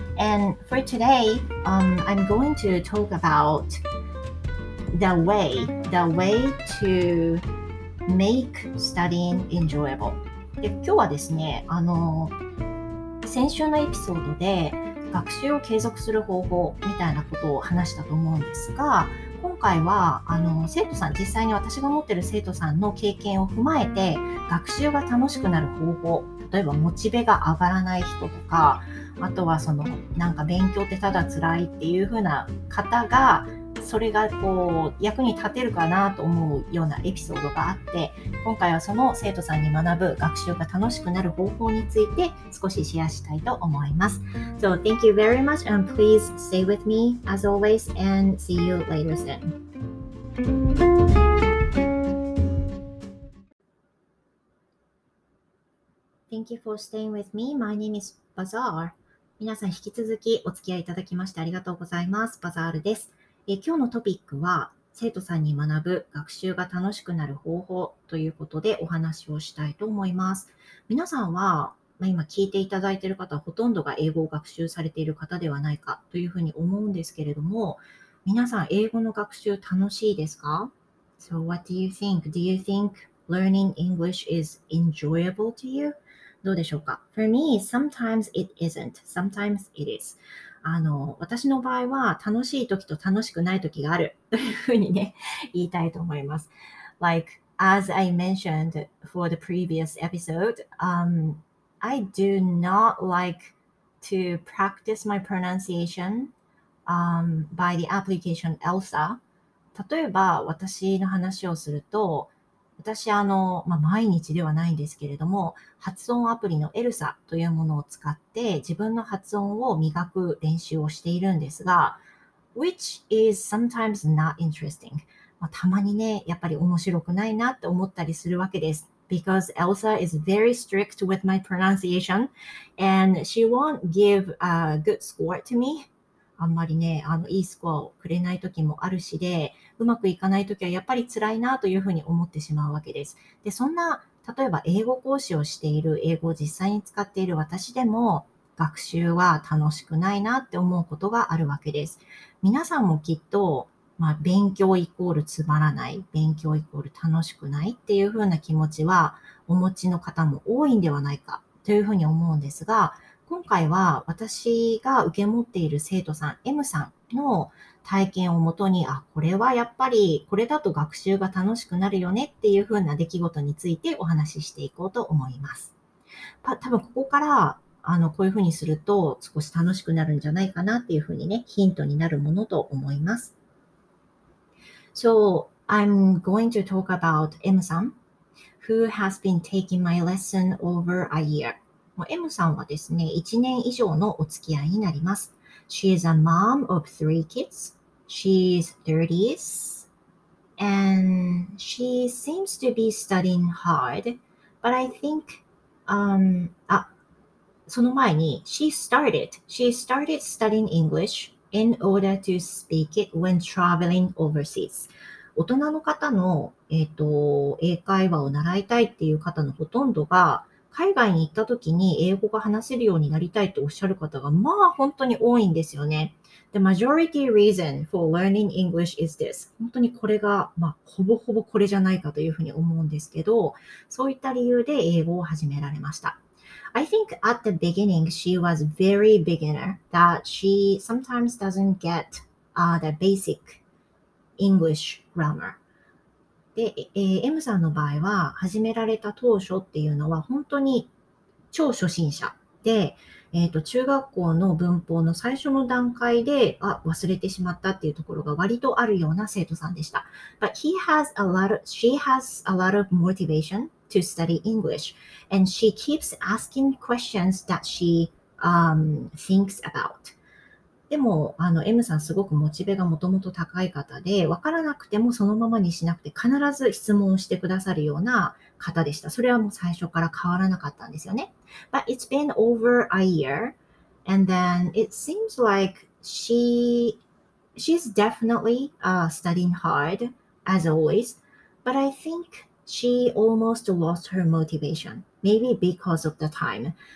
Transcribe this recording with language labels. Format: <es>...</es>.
<en>And for today, I'm going to talk about the way to make studying enjoyable.</en> <ja>で、今日はですね、先週のエピソードで学習を継続する方法みたいなことを話したと思うんですが、今回は生徒さん、実際に私が持ってる生徒さんの経験を踏まえて、学習が楽しくなる方法、例えばモチベが上がらない人とか、あとはなんか勉強ってただ辛いっていう風な方が、それがこう役に立てるかなと思うようなエピソードがあって、今回はその生徒さんに学ぶ学習が楽しくなる方法について少しシェアしたいと思います。</ja> <en>So thank you very much and please stay with me as always and see you later soon. Thank you for staying with me. My name is Bazaar.</en> <ja>皆さん引き続きお付き合いいただきましてありがとうございます。 Bazaar です。今日のトピックは、生徒さんに学ぶ学習が楽しくなる方法ということでお話をしたいと思います。皆さんは、今聞いていただいている方はほとんどが英語を学習されている方ではないかというふうに思うんですけれども、皆さん英語の学習楽しいですか？</ja> <en>So what do you think? Do you think learning English is enjoyable to you?</en> <ja>どうでしょうか？</ja> <en>For me, sometimes it isn't. Sometimes it is.</en> <ja>私の場合は楽しい時と楽しくない時があるというふうにね言いたいと思います。</ja> <en>Like as I mentioned for the previous episode, I do not like to practice my pronunciation, by the application ELSA.</en> <ja>例えば私の話をすると、私毎日ではないんですけれども、発音アプリのエルサというものを使って自分の発音を磨く練習をしているんですが、</ja> <en>which is sometimes not interesting、</en> <ja>たまにね、やっぱり面白くないなって思ったりするわけです。</ja> <en>because Elsa is very strict with my pronunciation and she won't give a good score to me。</en> <ja>あんまりね、いいスコアをくれない時もあるしで、うまくいかない時はやっぱり辛いなというふうに思ってしまうわけです。で、そんな、例えば英語講師をしている、英語を実際に使っている私でも、学習は楽しくないなって思うことがあるわけです。皆さんもきっと、勉強イコールつまらない、勉強イコール楽しくないっていうふうな気持ちは、お持ちの方も多いんではないかというふうに思うんですが、今回は私が受け持っている生徒さん、M さんの体験をもとに、あ、これはやっぱりこれだと学習が楽しくなるよねっていう風な出来事についてお話ししていこうと思います。多分ここからこういう風にすると少し楽しくなるんじゃないかなっていう風にね、ヒントになるものと思います。</ja> <en>So, I'm going to talk about M さん who has been taking my lesson over a year.</en> <ja>M さんはですね、1年以上のお付き合いになります。</ja> <en>She is a mom of three kids. She's 30s. And she seems to be studying hard. But I think,</en> <ja>その前に、</ja> <en>She started studying English in order to speak it when traveling overseas.</en> <ja>大人の方の、英会話を習いたいっていう方のほとんどが、海外に行った時に英語が話せるようになりたいとおっしゃる方が本当に多いんですよね。</ja> <en>The majority reason for learning English is this.</en> <ja>本当にこれが、ほぼほぼこれじゃないかというふうに思うんですけど、そういった理由で英語を始められました。</ja> <en>I think at the beginning she was very beginner that she sometimes doesn't get the basic English grammar.</en> <ja>で、M さんの場合は始められた当初っていうのは本当に超初心者で、中学校の文法の最初の段階で忘れてしまったっていうところが割とあるような生徒さんでした。</ja> <en>But she has a lot of motivation to study English and she keeps asking questions that she thinks about.</en> <ja>でも、M さんすごくモチベがもともと高い方で、分からなくてもそのままにしなくて、必ず質問をしてくださるような方でした。それはもう最初から変わらなかったんですよね。</ja> <en>But it's been over a year, and then it seems like she's definitely studying hard, as always, but I think she almost lost her motivation, maybe because of the time.</en>